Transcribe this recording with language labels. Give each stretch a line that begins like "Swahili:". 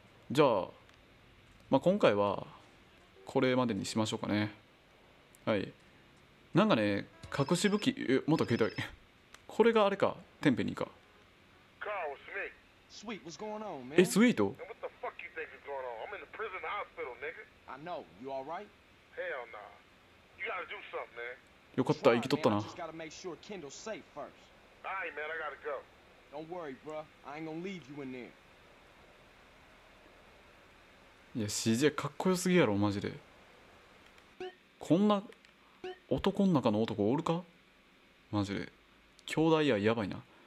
Japanese: じゃあ、まあ今回はこれまでにしましょうかね。はい。なんかね、隠し武器、また携帯。これがあれか、テンペニーか。
English: Sweet, what's going on, man? Hey, Sweet, though. What the fuck you think is going on? I'm in the prison hospital, nigga. I know. You all right? Hell nah. You gotta do something, man.
Japanese: よかった、生きとったな。
English: I just gotta make sure Kendall's safe first. All right, man. I gotta go. Don't worry, bruh. I ain't gonna leave you in there.
Japanese: いや、CJ かっこよすぎやろ、マジで。こんな男の中の男おるか？マジで。兄弟や、やばいな。